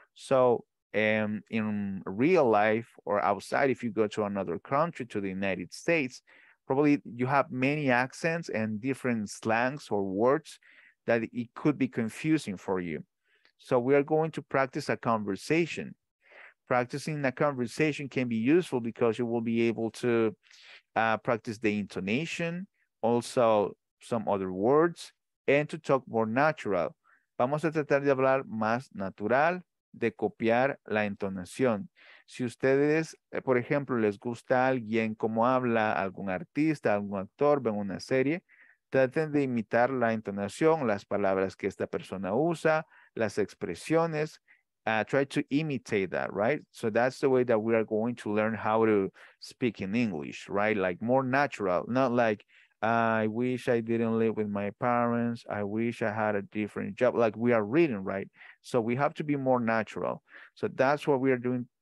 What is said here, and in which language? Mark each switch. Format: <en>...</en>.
<en>So in real life or outside, if you go to another country, to the United States, probably you have many accents and different slangs or words that it could be confusing for you. So we are going to practice a conversation. Practicing a conversation can be useful because you will be able to practice the intonation, also some other words, and to talk more natural.</en> <es>Vamos a tratar de hablar más natural, de copiar la entonación. Si ustedes, por ejemplo, les gusta alguien como habla, algún artista, algún actor, ven una serie, traten de imitar la entonación, las palabras que esta persona usa, las expresiones.</es> <en>Try to imitate that, right? So that's the way that we are going to learn how to speak in English, right? Like more natural, not like, I wish I didn't live with my parents. I wish I had a different job. Like we are reading, right? So we have to be more natural. So that's what we are doing.</en>